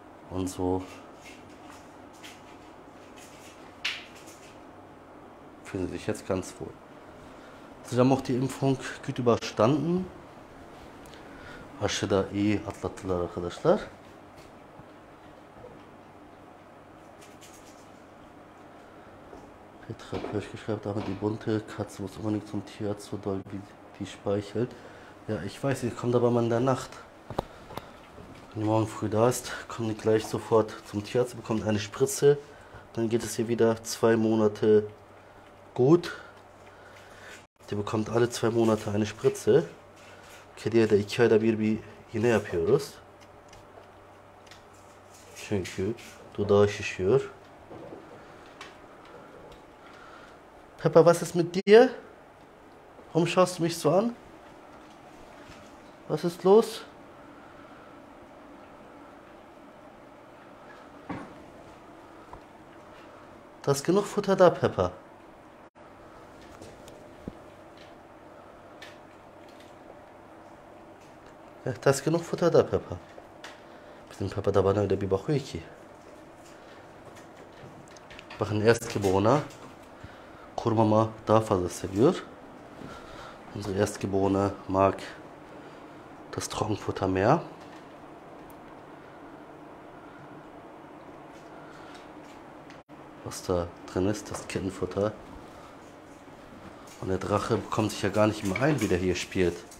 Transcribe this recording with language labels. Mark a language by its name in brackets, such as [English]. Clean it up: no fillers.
[German] Und so fühlen sie sich jetzt ganz wohl. Sie haben auch die Impfung gut überstanden. [Turkish] Aşı da iyi atlattılar arkadaşlar. [German] Petra Pöschke schreibt, aber die bunte Katze muss unbedingt zum Tier so doll wie die speichelt. Ja, ich weiß, sie kommt aber mal in der Nacht. Wenn du morgen früh da bist, kommen die gleich sofort zum Tierarzt, bekommen eine Spritze. Dann geht es hier wieder 2 Monate gut. Die bekommt alle 2 Monate eine Spritze. [Turkish] Kediye de 2 ayda bir yine yapıyoruz. Çünkü dudağı şişiyor. [German] Peppa, was ist mit dir? Warum schaust du mich so an? Was ist los? Da ist genug Futter da, Peppa. Ja, da ist genug Futter da, Peppa. [Turkish] Bizim Peppa da bana öyle bir bakıyor ki. Bakın Erstgeborener Kurmama daha fazla seviyor. [German] Unser Erstgeborener mag das Trockenfutter mehr. Was da drin ist, das Kettenfutter. Und der Drache bekommt sich ja gar nicht mehr ein, wie der hier spielt.